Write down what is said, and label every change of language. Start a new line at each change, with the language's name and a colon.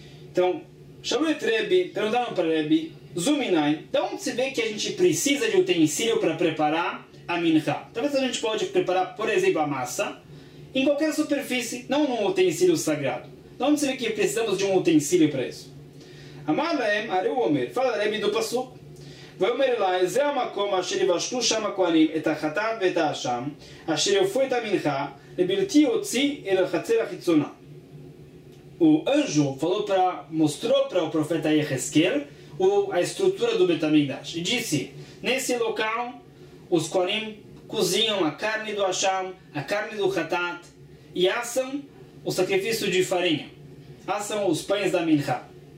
Portuguese: Então, chamou o Rebbe, perguntaram para o Rebbe, Zuminai, de onde se vê que a gente precisa de utensílio para preparar a minhá? Talvez a gente pode preparar, por exemplo, a massa, em qualquer superfície, não num utensílio sagrado. De onde se vê que precisamos de um utensílio para isso? Amalem, Areu Omer, fala Rebbe do Passu.
Hebrew: ואומר לה, זה המקום אשר יבשלו שם הכהנים את החטאת ואת האשם, אשר יופו את המנחה, לבלתי הוציא אל החצר החיצונה.
Portuguese: O anjo falou para, mostrou para o profeta Yehezkel a estrutura do Beit HaMikdash e disse, nesse local os kohanim cozinham a carne do Hashem, a carne do Hatat e assam o sacrifício de farinha, assam os pães da Minha.